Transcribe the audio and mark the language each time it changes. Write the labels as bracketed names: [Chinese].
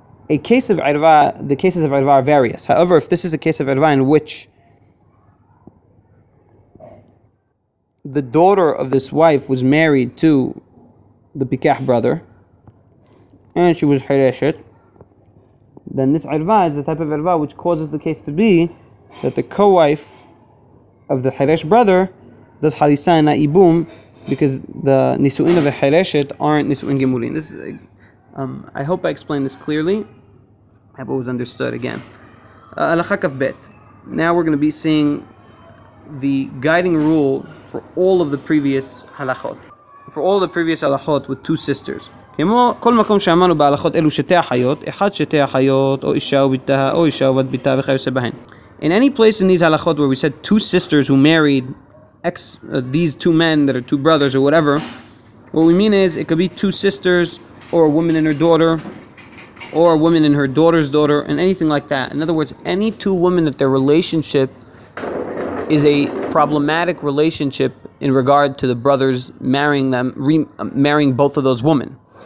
[English] A case of irva, the cases of irva are various. However, if this is a case of irva in which the daughter of this wife was married to the pikeh brother, and she was Hireshit, then this irva is the type of irva which causes the case to be that the co-wife of the Hiresh brother does halisa and not ibum, because the nisuin of a Hireshit aren't nisuin gemurin. I hope I explained this clearly. I hope it was understood again. Alachak of bet. Now we're going to be seeing the guiding rule for all of the previous halachot. For all the previous halachot with two sisters. [Hebrew] כמו כל מקום שאמרנו בהלכות אלו שתי אחיות, אחד שתי אחיות, או אישה ובתה, או אישה ובת בתה, וכיוצא בהן. [English] In any place in these halachot where we said two sisters who married these two men that are two brothers or whatever, what we mean is it could be two sisters, or a woman and her daughter, or a woman and her daughter's daughter, and anything like that. In other words, any two women that their relationship is a problematic relationship in regard to the brothers marrying them, marrying both of those women.